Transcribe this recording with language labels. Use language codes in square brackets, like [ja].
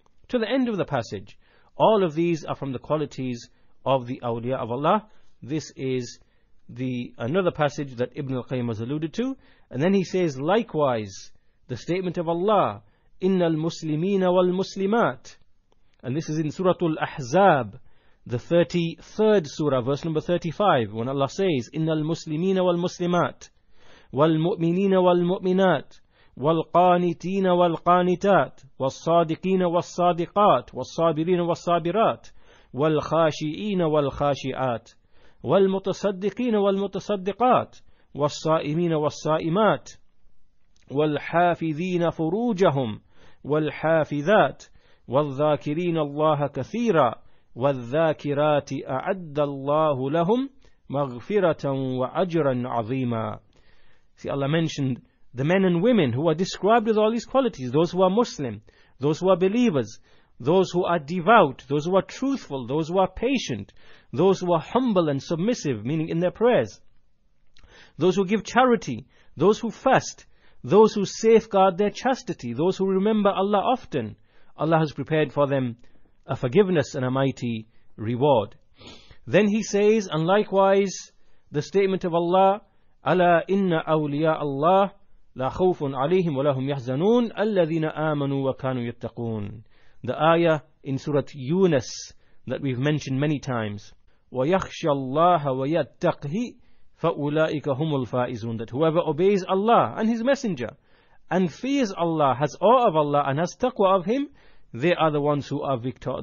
[en] To the end of the passage, all of these are from the qualities of the awliya of Allah. This is another passage that Ibn al-Qayyim has alluded to. And then he says, likewise, the statement of Allah, innal muslimina wal muslimat. And this is in Surah Al-Ahzab, the 33rd surah, verse number 35, when Allah says, [ar] إِنَّ الْمُسْلِمِينَ وَالْمُسْلِمَاتِ وَالْمُؤْمِنِينَ وَالْمُؤْمِنَاتِ وَالْقَانِتِينَ وَالْقَانِتَاتِ وَالصَّادِقِينَ وَالصَّادِقَاتِ وَالصَّابِرِينَ وَالصَّابِرَاتِ وَالْخَاشِئِينَ وَالْخَاشِئَاتِ وَالْمُتَصَدِّقِينَ وَالْمُتَصَدِّقَاتِ وَالصَّائِمِينَ وَالصَّائِمَاتِ وَالْحَافِظِينَ فُرُوجَهُمْ وَالْحَافِظَاتِ وَالذَّاكِرِينَ اللَّهَ كَثِيرًا وَالذَّاكِرَاتِ أَعَدَّ اللَّهُ لَهُمْ مَغْفِرَةً وَأَجْرًا عَظِيمًا. [en] See, Allah mentioned the men and women who are described with all these qualities, those who are Muslim, those who are believers, those who are devout, those who are truthful, those who are patient, those who are humble and submissive, meaning in their prayers, those who give charity, those who fast, those who safeguard their chastity, those who remember Allah often. Allah has prepared for them a forgiveness and a mighty reward. Then he says, and likewise, the statement of Allah, [ar] أَلَا إِنَّ أَوْلِيَاءَ اللَّهِ لَا خَوْفٌ عَلَيْهِمْ وَلَهُمْ يَحْزَنُونَ الَّذِينَ آمَنُوا وَكَانُوا يَتَّقُونَ. [en] The ayah in Surah Yunus that we've mentioned many times. [ar] وَيَخْشَى اللَّهَ وَيَتَّقْهِ فَأُولَئِكَ هُمُ الْفَائِزُونَ. [en] That whoever obeys Allah and His Messenger and fears Allah, has awe of Allah, and has taqwa of Him, they are the ones who are victor.